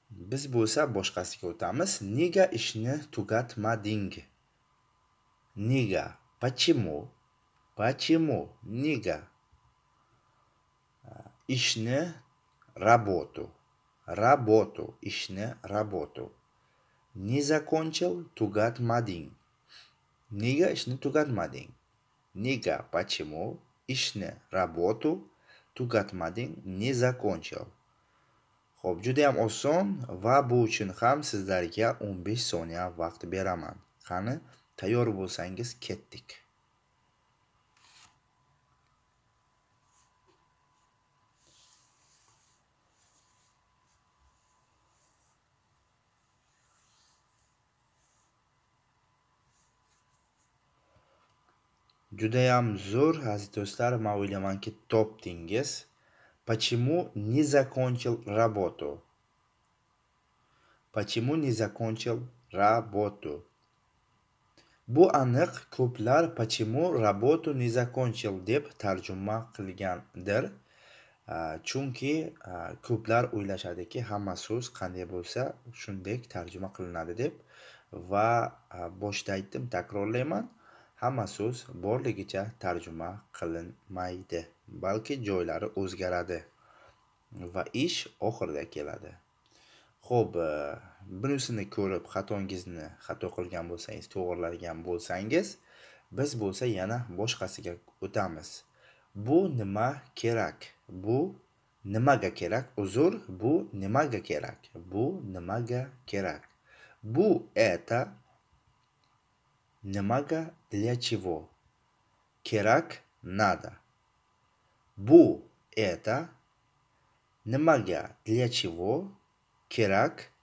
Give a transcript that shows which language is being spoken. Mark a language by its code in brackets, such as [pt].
[uz] Biz bo'lsa boshqasiga o'tamiz. Nega ishni tugatmading? Nega? [ru] Почему? Почему? [uz] Nega? Ishni [ru] работу. Работу, [uz] ishni [ru] работу. Не закончил, [uz] tugatmading. Nega ishni tugatmading? Nega? [ru] Почему? [uz] Ishni [ru] работу [uz] tugatmading, [ru] не закончил. [uz] Xo'p, juda ham oson va bu uchun ham sizlarga 15 soniya vaqt beraman. Qani, tayyor bo'lsangiz ketdik. Juda ham zo'r aziz do'stlar, men o'ylaymanki topdingiz. [ru] Почему не закончил работу? Почему не закончил работу? [uz] Bu aniq ko'plar [ru] почему работу не закончил [uz] deb tarjuma qilgandir. Chunki ko'plar o'ylashadiki, hamma so'z qanday bo'lsa, shunday tarjuma qilinadi deb va boshda aytdim, takrorlayman. Hamma so'z borligicha tarjuma qilinmaydi. Balki joylari o'zgaradi. Va ish oxirida keladi. Xo'p, bunisini ko'rib xatongizni xato qilgan bo'lsangiz, to'g'irlagan bo'lsangiz, biz bo'lsa yana boshqasiga o'tamiz. Bu nima kerak? Bu nimaga kerak? Uzr, bu nimaga kerak? Bu nimaga kerak? Bu [ru] это [uz] nimaga, [ru] для чего? [uz] Kerak, [ru] надо. [uz] Bu [ru] это [uz] nimaga, [ru] для чего, [uz] kerak,